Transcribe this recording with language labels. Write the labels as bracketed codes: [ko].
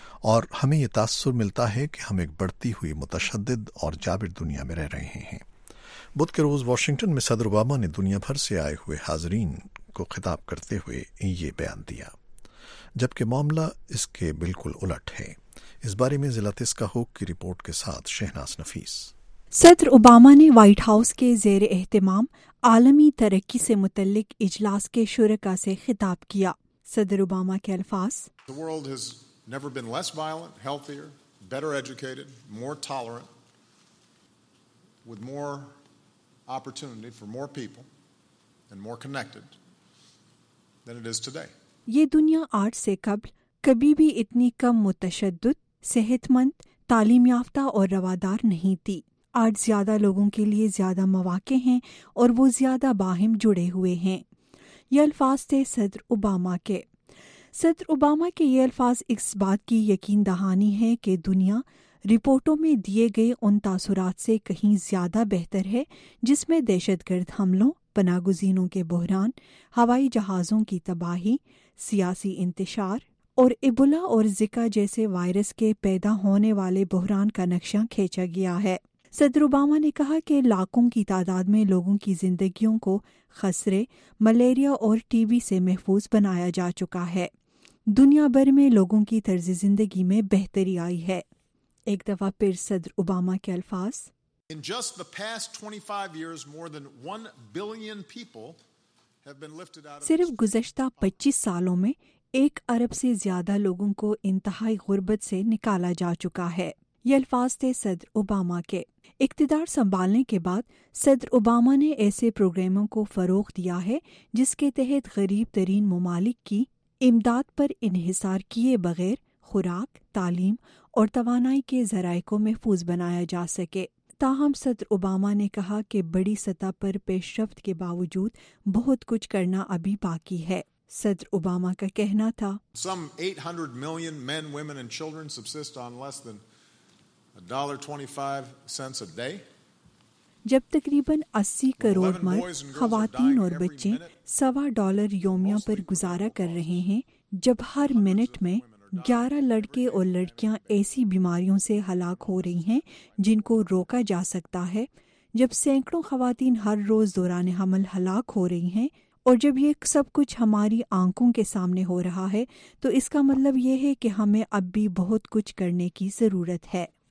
[ur] اور ہمیں یہ تاثر ملتا ہے کہ ہم ایک بڑھتی ہوئی متشدد اور جابر دنیا میں رہ رہے ہیں۔ بدھ کے روز واشنگٹن میں صدر اوباما نے دنیا بھر سے آئے ہوئے حاضرین کو خطاب کرتے ہوئے یہ بیان دیا، جبکہ معاملہ اس کے بالکل الٹ ہے۔ اس بارے میں ضلع تسکاہوک کی رپورٹ کے ساتھ شہناز نفیس۔ صدر اوباما نے وائٹ ہاؤس کے زیر اہتمام عالمی ترقی سے متعلق اجلاس کے شرکا سے خطاب کیا۔ صدر اوباما کے الفاظ، [en] The world has never been less violent, healthier, better educated, more tolerant. with more opportunity for more people and more connected than it is today. [ur] یہ دنیا آج سے قبل کبھی بھی اتنی کم متشدد، صحت مند، تعلیم یافتہ اور روادار نہیں تھی. آج زیادہ لوگوں کے لیے زیادہ مواقع ہیں اور وہ زیادہ باہم جڑے ہوئے ہیں. یہ الفاظ تھے صدر اوباما کے. صدر اوباما کے یہ الفاظ اس بات کی یقین دہانی ہے کہ دنیا رپورٹوں میں دیے گئے ان تاثرات سے کہیں زیادہ بہتر ہے جس میں دہشت گرد حملوں، پناہ گزینوں کے بحران، ہوائی جہازوں کی تباہی، سیاسی انتشار اور ایبولا اور زکا جیسے وائرس کے پیدا ہونے والے بحران کا نقشہ کھینچا گیا ہے. صدر اوباما نے کہا کہ لاکھوں کی تعداد میں لوگوں کی زندگیوں کو خسرے، ملیریا اور ٹی بی سے محفوظ بنایا جا چکا ہے. دنیا بھر میں لوگوں کی طرز زندگی میں بہتری آئی ہے. ایک دفعہ پھر صدر اوباما کے الفاظ. [en] In just the past 25 years, more than 1 billion people have been lifted out of... [ur] صرف گزشتہ 25 سالوں میں 1 ارب سے زیادہ لوگوں کو انتہائی غربت سے نکالا جا چکا ہے. یہ الفاظ تھے صدر اوباما کے. اقتدار سنبھالنے کے بعد صدر اوباما نے ایسے پروگراموں کو فروغ دیا ہے جس کے تحت غریب ترین ممالک کی امداد پر انحصار کیے بغیر خوراک، تعلیم اور توانائی کے ذرائع کو محفوظ بنایا جا سکے. تاہم صدر اوباما نے کہا کہ بڑی سطح پر پیش رفت کے باوجود بہت کچھ کرنا ابھی باقی ہے. صدر اوباما کا کہنا تھا [en] Some 800 million men, women and children subsist on less than $1.25 a day. [ur] جب تقریباً 80 کروڑ مرد، خواتین اور بچے $1 یومیہ پر گزارا کر رہے ہیں، جب ہر منٹ میں 11 لڑکے اور لڑکیاں ایسی بیماریوں سے ہلاک ہو رہی ہیں جن کو روکا جا سکتا ہے، جب سینکڑوں خواتین ہر روز دوران حمل ہلاک ہو رہی ہیں اور جب یہ سب کچھ ہماری آنکھوں کے سامنے ہو رہا ہے، تو اس کا مطلب یہ ہے کہ ہمیں اب بھی بہت کچھ کرنے کی ضرورت ہے.